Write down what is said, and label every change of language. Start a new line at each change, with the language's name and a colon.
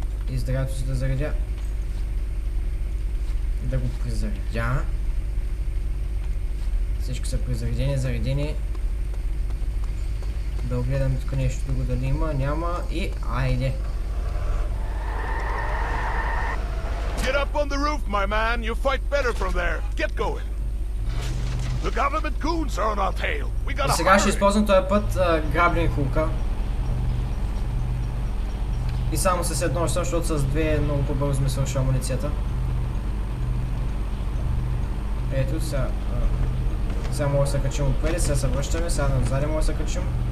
Bulgarian: И здравето си да заредя. Да го призаредя. Всички са призаредени, заредени. Да огледам тук нещо друго, дали има, няма и айде.
English: Get up on the roof, my man. You fight better from there. Get going. The government goons are on our tail. We got a fire.
Bulgarian: Сега ще използвам този път грабни кулка. И само с едно, защото с две много по-бързо сме свършили амуницията. Ето сега. Сега мога да се качим отпреди, сега се връщаме, сега назад мога да се качим.